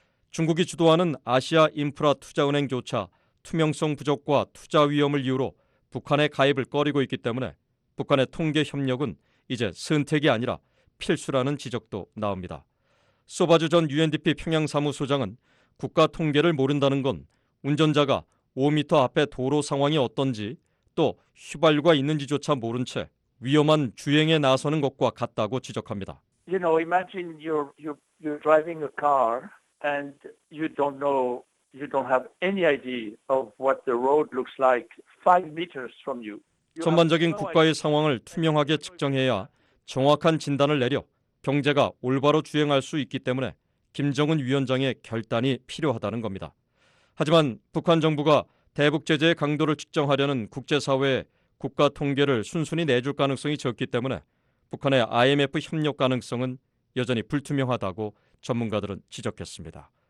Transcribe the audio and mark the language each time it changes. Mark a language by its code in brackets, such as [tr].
[ko] 중국이 주도하는 아시아 인프라 투자은행조차 투명성 부족과 투자 위험을 이유로 북한의 가입을 꺼리고 있기 때문에 북한의 통계 협력은 이제 선택이 아니라 필수라는 지적도 나옵니다. 소바주 전 UNDP 평양사무소장은 국가 통계를 모른다는 건 운전자가 5m 앞에 도로 상황이 어떤지 또 휘발유가 있는지조차 모른 채 위험한 주행에 나서는 것과 같다고 지적합니다. [en] You know, imagine you're driving a car and you don't know, you don't have any idea of what the road looks like 5m from you. [ko] 전반적인 국가의 상황을 투명하게 측정해야 정확한 진단을 내려 경제가 올바로 주행할 수 있기 때문에 김정은 위원장의 결단이 필요하다는 겁니다. 하지만 북한 정부가 대북 제재의 강도를 측정하려는 국제사회의 국가 통계를 순순히 내줄 가능성이 적기 때문에 북한의 IMF 협력 가능성은 여전히 불투명하다고 전문가들은 지적했습니다.